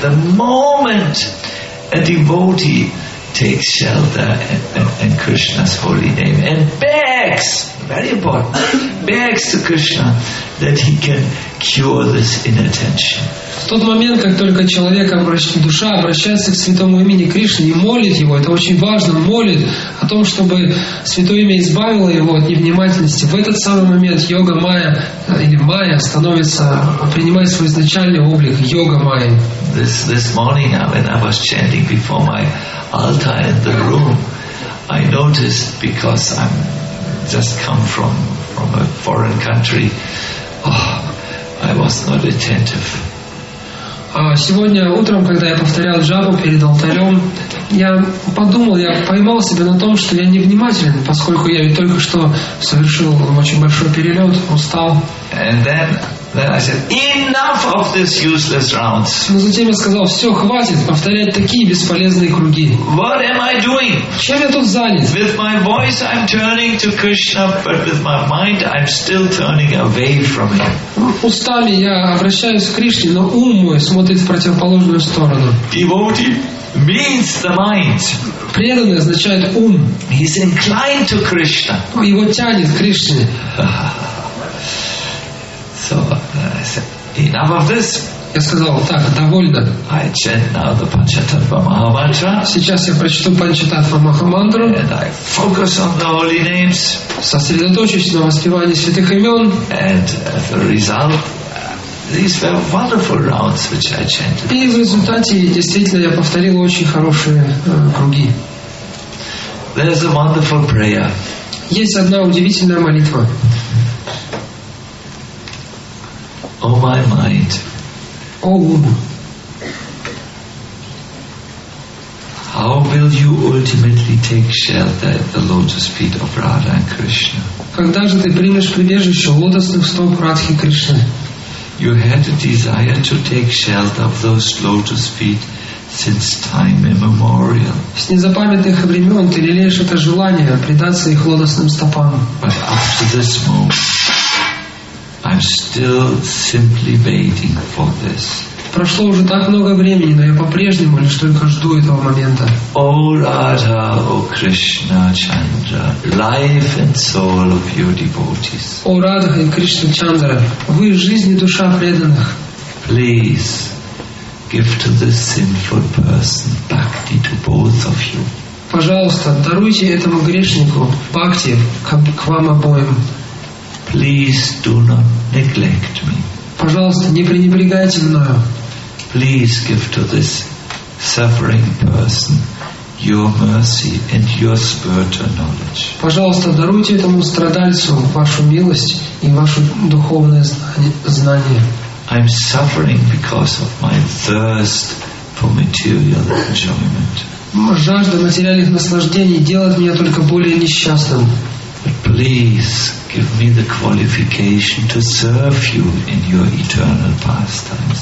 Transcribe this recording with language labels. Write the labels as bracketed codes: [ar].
[en] The moment a devotee takes shelter in Krishna's holy name and begs, very important, begs to Krishna that he can cure this inattention. [ru] В тот момент, как только человек, душа обращается к святому имени Кришны и молит его, это очень важно, молит о том, чтобы святое имя избавило его от невнимательности, в этот самый момент йога майя или майя становится, принимает свой изначальный облик, йога майя. [en] This morning, when I was chanting before my altar in the room, I noticed, because I'm just come from a foreign country, I was not attentive. [ru] Сегодня утром, когда я повторял джапу перед алтарем, я подумал, я поймал себя на том, что я невнимателен, поскольку я ведь только что совершил очень большой перелет, устал. [en] And then I said, enough of this useless rounds. [ru] Но затем я сказал, все, хватит повторять такие бесполезные круги. [en] What am I doing? [ru] Чем я тут занят? [en] With my voice I'm turning to Krishna, but with my mind I'm still turning away from him. [ru] Устами я обращаюсь к Кришне, но ум мой смотрит в противоположную сторону. [en] Devotee means the mind. [ru] Преданный означает ум. [en] He's inclined to Krishna. [ru] Его тянет к Кришне. [en] So I said, enough of this. [ru] Я сказал, так, довольно. [en] I chant now the Panchatattva Mahamantra. [ru] Сейчас я прочту Панчататва Махамантру. [en] And I focus on the holy names. [ru] Сосредоточусь на воспевании святых имен. [en] And as a result, these were wonderful rounds which I chanted. [ru] И в результате действительно я повторил очень хорошие круги. [en] There's a wonderful prayer. [ru] Есть одна удивительная молитва. [en] O my mind. [ru] О ум. [en] How will you ultimately take shelter at the lotus feet of Radha and Krishna? [ru] Когда же ты примешь прибежище у лотосных стоп Радхи и Кришны? [en] You had a desire to take shelter of those lotus feet since time immemorial. [ru] С незапамятных времен ты лелеешь это желание предаться их лотосным стопам. [en] But up to this moment, I'm still simply waiting for this. [ru] Прошло уже так много времени, но я по-прежнему лишь только жду этого момента. [en] О Радха, о Кришна Чандра, life and soul of your devotees. [ru] О Радха и Кришна Чандра, вы жизнь и душа преданных. [en] Please give to this sinful person bhakti to both of you. [ru] Пожалуйста, даруйте этому грешнику бхакти к вам обоим. [en] Please do not neglect me. [ru] Пожалуйста, не пренебрегайте мною. [en] Please give to this suffering person your mercy and your spiritual knowledge. [ru] Пожалуйста, даруйте этому страдальцу вашу милость и ваше духовное знание. [en] I'm suffering because of my thirst for material enjoyment. [ru] Жажда материальных наслаждений делает меня только более несчастным. [en] Please give me the qualification to serve you in your eternal pastimes.